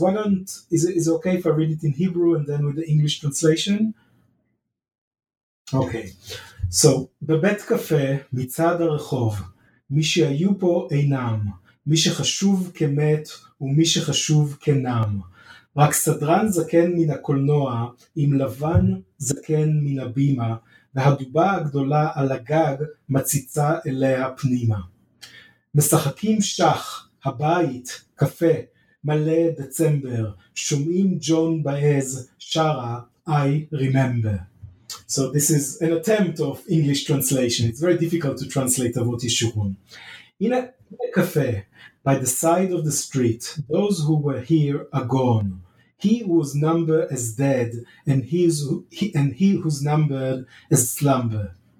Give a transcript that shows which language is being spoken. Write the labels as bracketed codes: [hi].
[en] Why don't, is it okay if I read it in Hebrew and then with the English translation? Okay. [he] So, בבית קפה מצד הרחוב, מי שהיו פה אינם, מי שחשוב כמת ומי שחשוב כנם. רק סדרן זקן מן הקולנוע, עם לבן זקן מן הבימה, והדובה הגדולה על הגג מציצה אליה פנימה. משחקים שח, הבית, קפה, מלא דצמבר, שומעים ג'ון באז, שרה, [en] I remember. So this is an attempt of English translation. It's very difficult to translate Avot Yeshurun. In a cafe, by the side of the street, those who were here are gone. He whose number is dead, and he who's numbered is slumber.